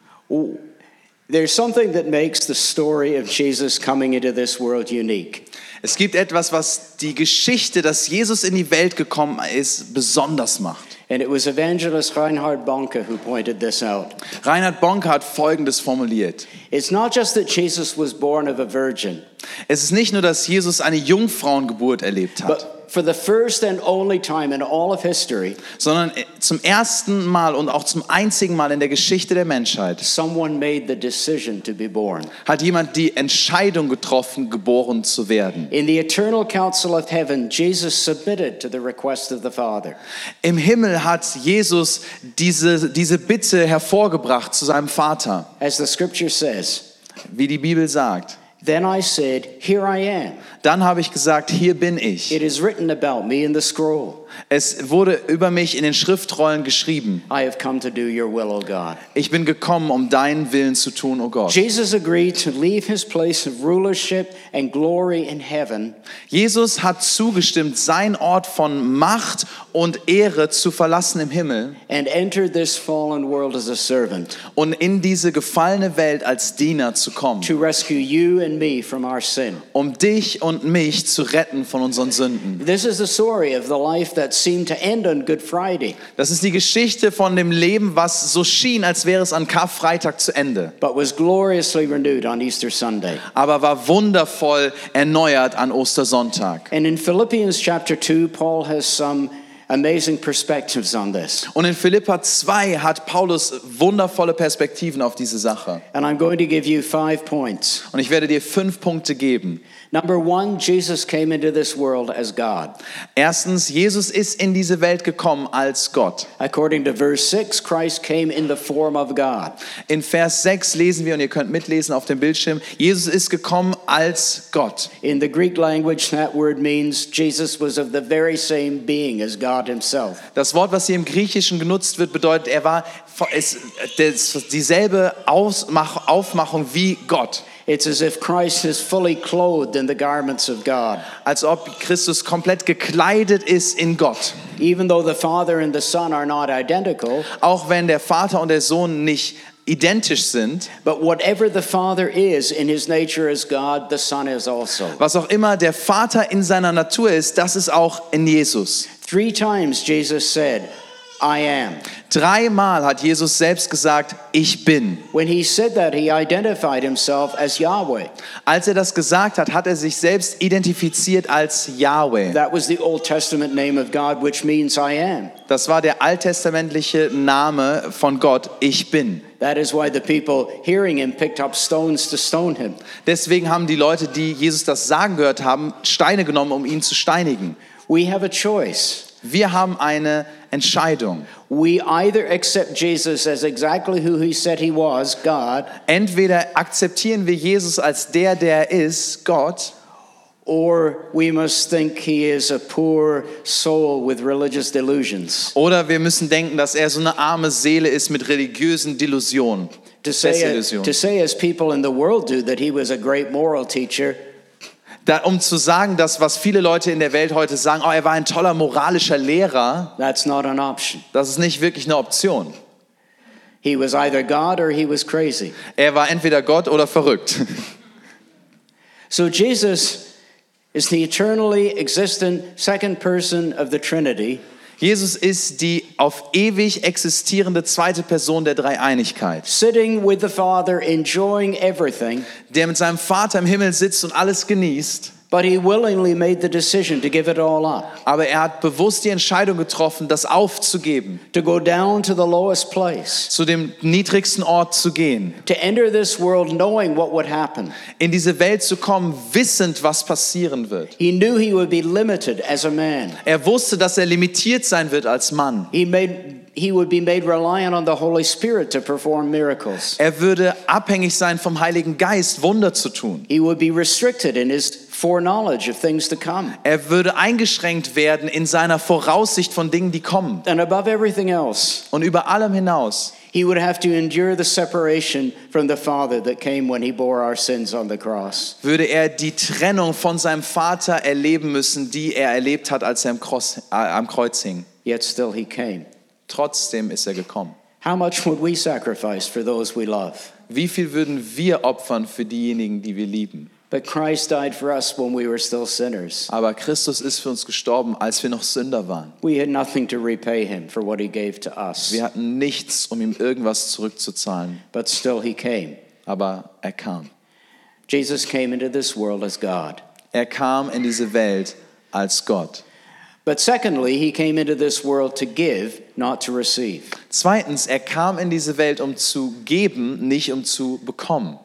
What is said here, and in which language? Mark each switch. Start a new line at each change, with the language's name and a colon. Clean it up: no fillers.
English: Oh, there's something that makes the story of Jesus coming into this world unique.
German: Es gibt etwas, was die Geschichte, dass Jesus in die Welt gekommen ist, besonders macht.
English: And it was evangelist Reinhard Bonnke who pointed this out.
German: Reinhard Bonnke hat Folgendes formuliert.
English: It's not just that Jesus was born of a virgin.
German: Es ist nicht nur, dass Jesus eine Jungfrauengeburt erlebt hat.
English: But for the first and only time in all of history,
German: sondern zum ersten Mal und auch zum einzigen Mal in der Geschichte der Menschheit,
English: someone made the decision to be born.
German: Hat jemand die Entscheidung getroffen, geboren zu werden.
English: In the eternal council of heaven, Jesus submitted to the request of the Father.
German: Im Himmel hat Jesus diese Bitte hervorgebracht zu seinem Vater.
English: As the scripture says,
German: wie die Bibel sagt,
English: then I said, here I am.
German: Dann habe ich gesagt, hier bin ich.
English: It is written about me in the scroll.
German: Es wurde über mich in den Schriftrollen geschrieben.
English: I have come to do your will, O God.
German: Ich bin gekommen, um deinen Willen zu tun, O Gott.
English: Jesus agreed to leave his place of rulership and glory in heaven.
German: Jesus hat zugestimmt, seinen Ort von Macht und Ehre zu verlassen im Himmel.
English: And enter this fallen world as a servant.
German: Und in diese gefallene Welt als Diener zu kommen.
English: To rescue you and me from our sin.
German: Um dich und mich zu retten von unseren Sünden.
English: This is the story of the life that seemed to end on Good Friday.
German: Das ist die Geschichte von dem Leben, was so schien, als wäre es an Karfreitag zu Ende.
English: But was gloriously renewed on Easter Sunday.
German: Aber war wundervoll erneuert an Ostersonntag.
English: And in Philippians chapter 2, Paul has some amazing perspectives on this.
German: Und in Philipper 2 hat Paulus wundervolle Perspektiven auf diese Sache.
English: And I'm going to give you 5 points.
German: Und ich werde dir 5 Punkte geben.
English: Number one, Jesus came into this world as God.
German: Erstens, Jesus ist in diese Welt gekommen als Gott.
English: According to verse 6, Christ came in the form of God.
German: In Vers 6 lesen wir, und ihr könnt mitlesen auf dem Bildschirm, Jesus ist gekommen als Gott.
English: In the Greek language, that word means Jesus was of the very same being as God himself.
German: Das Wort, was hier im Griechischen genutzt wird, bedeutet, er war dieselbe Aufmachung wie Gott.
English: It's as if Christ is fully clothed in the garments of God.
German: Als ob Christus komplett gekleidet ist in Gott.
English: Even though the Father and the Son are not identical,
German: auch wenn der Vater und der Sohn nicht identisch sind.
English: But whatever the Father is in his nature as God, the Son is also.
German: Was auch immer der Vater in seiner Natur ist, das ist auch in Jesus.
English: Three times Jesus said, I am.
German: Dreimal hat Jesus selbst gesagt, ich bin.
English: When he said that, he identified himself as Yahweh.
German: Als er das gesagt hat, hat er sich selbst identifiziert als Yahweh.
English: That was the Old Testament name of God, which means I am.
German: Das war der alttestamentliche Name von Gott, ich bin.
English: That is why the people hearing him picked up stones to stone him.
German: Deswegen haben die Leute, die Jesus das sagen gehört haben, Steine genommen, um ihn zu steinigen.
English: We have a choice.
German: Wir haben eine Entscheidung.
English: We either accept Jesus as exactly who he said he was, God.
German: Entweder akzeptieren wir Jesus als der, der er ist, Gott.
English: Or we must think he is a poor soul with religious delusions.
German: Oder wir müssen denken, dass er so eine arme Seele ist mit religiösen Delusionen.
English: To say as people in the world do that he was a great moral teacher.
German: Um zu sagen, dass was viele Leute in der Welt heute sagen, oh, er war ein toller moralischer Lehrer.
English: That's not an option.
German: Das ist nicht wirklich eine Option.
English: He was either God or he was crazy.
German: Er war entweder Gott oder verrückt.
English: So Jesus is the eternally existent second person of the Trinity.
German: Jesus ist die auf ewig existierende zweite Person der Dreieinigkeit.
English: Sitting with the Father, enjoying everything.
German: Der mit seinem Vater im Himmel sitzt und alles genießt.
English: But he willingly made the decision to give it all up.
German: Aber er hat bewusst die Entscheidung getroffen, das aufzugeben.
English: To go down to the lowest place.
German: Zu dem niedrigsten Ort zu gehen.
English: To enter this world knowing what would happen.
German: In diese Welt zu kommen, wissend, was passieren wird.
English: He knew he would be limited as a man.
German: Er wusste, dass er limitiert sein wird als Mann.
English: He would be made reliant on the Holy Spirit to perform miracles.
German: Er würde abhängig sein vom Heiligen Geist, Wunder zu tun.
English: He would be restricted in his foreknowledge of things to come.
German: Er würde eingeschränkt werden in seiner Voraussicht von Dingen, die kommen.
English: And above everything else,
German: und über allem hinaus,
English: he would have to endure the separation from the Father that came when he bore our sins on the cross.
German: Würde er die Trennung von seinem Vater erleben müssen, die er erlebt hat, als er am Kreuz hing.
English: Yet still he came.
German: Trotzdem ist er gekommen.
English: How much would we sacrifice for those we love?
German: Wie viel würden wir opfern für diejenigen, die wir lieben?
English: But Christ died for us when we were still sinners.
German: Aber Christus ist für uns gestorben, als wir noch Sünder waren.
English: We had nothing to repay him for what he gave to us.
German: Wir hatten nichts, um ihm irgendwas zurückzuzahlen.
English: But still he came.
German: Aber er kam.
English: Jesus came into this world as God.
German: Er kam in diese Welt als Gott.
English: But secondly, he came into this world to give, not to receive.
German: Zweitens, er kam in diese Welt, um zu geben, nicht um zu bekommen.